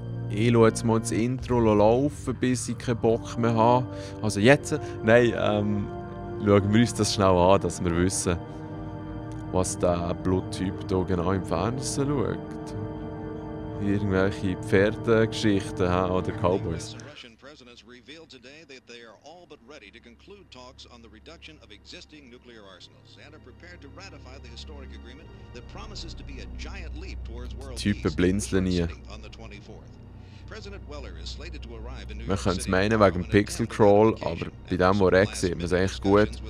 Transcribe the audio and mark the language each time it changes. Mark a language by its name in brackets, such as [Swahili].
[German] Ich schaue jetzt mal das Intro laufen, bis ich keinen Bock mehr habe. Also jetzt? Nein, schauen wir uns das schnell an, dass wir wissen, was der Bluttyp hier genau im Fernsehen schaut. Irgendwelche Pferdegeschichten, he? Oder Cowboys. [English] President has revealed today that they are all but ready to conclude talks on the reduction of existing nuclear arsenals and are prepared to ratify the historic agreement that promises to be a giant leap towards world peace on the 24th. President Weller is slated to arrive in New York City. [German] Man könnte es meinen wegen Pixel Crawl, aber bei dem, wo Rex sieht man es echt gut.